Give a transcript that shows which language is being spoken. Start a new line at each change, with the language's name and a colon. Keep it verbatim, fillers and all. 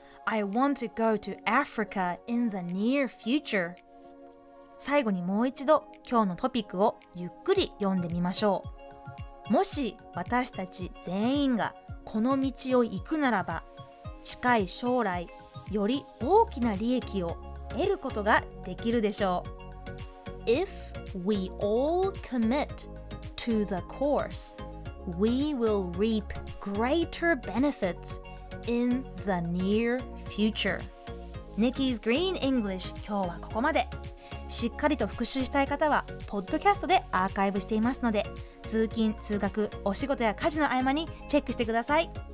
English: I want to go to Africa in the near future。
Japanese: 最後にもう一度今日のトピックをゆっくり読んでみましょう。もし私たち全員がこの道を行くならば、近い将来より大きな利益を得ることができるでしょう。
English: If we all commit to the course,We will reap greater benefits in the near future.
Japanese: Nikki's Green English、 今日はここまで。しっかりと復習したい方はポッドキャストでアーカイブしていますので、通勤通学、お仕事や家事の合間にチェックしてください。